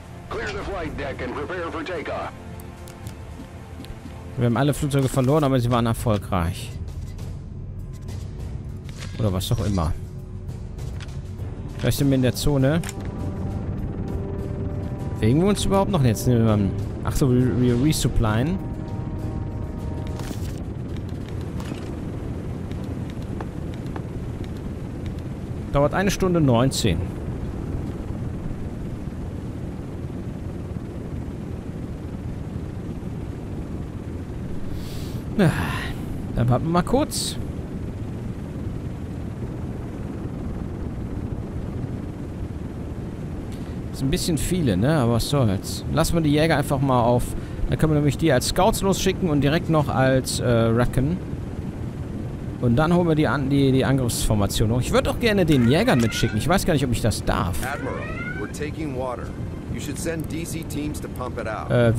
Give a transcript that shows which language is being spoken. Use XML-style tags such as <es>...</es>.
<en>Clear the flight deck and prepare for takeoff.</en> <de>Wir haben alle Flugzeuge verloren, aber sie waren erfolgreich. Oder was auch immer. Vielleicht sind wir in der Zone. Bewegen wir uns überhaupt noch? Jetzt nehmen wir mal. Ach so, wir resupplyen. Dauert 1 Stunde 19. Dann warten wir mal kurz. Ist ein bisschen viele, ne? Aber was soll's. Lassen wir die Jäger einfach mal auf. Dann können wir nämlich die als Scouts losschicken und direkt noch als Reckon. Und dann holen wir die Angriffsformation hoch. Ich würde auch gerne den Jägern mitschicken. Ich weiß gar nicht, ob ich das darf.</de> <en>Admiral, we're taking water. You should send DC teams to pump it out.</en>